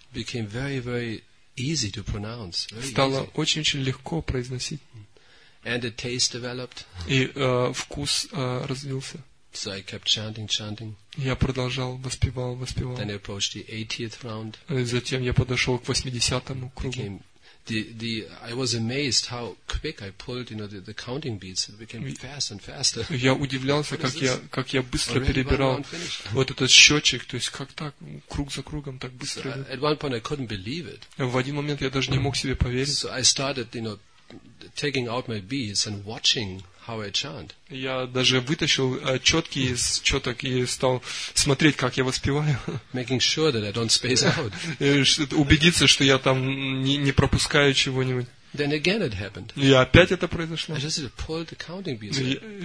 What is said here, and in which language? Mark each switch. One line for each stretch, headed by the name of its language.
English: Became very, very easy to pronounce.
Russian: Стало очень-очень легко произносить.
English: And the taste developed.
Russian: И вкус развился.
English: So I kept chanting.
Russian: Я продолжал, воспевал.
English: Then I approached the 80th round.
Russian: Затем я подошел к 80-му кругу.
English: I was amazed how quick I pulled, you know, the counting beats. It became faster and faster.
Russian: Я удивлялся, как я быстро перебирал вот этот счетчик. То есть как так, круг за кругом так быстро.
English: So at one point I couldn't believe it.
Russian: В один момент я даже не мог себе поверить.
English: So I started, you know, taking out my beats and watching how I chant.
Russian: Я даже вытащил четки из четок и стал смотреть, как я воспеваю.
English: Making sure that I don't space out.
Russian: Убедиться, что я там не пропускаю чего-нибудь.
English: Then again it happened.
Russian: И опять это произошло.
English: I just pulled the counting beats.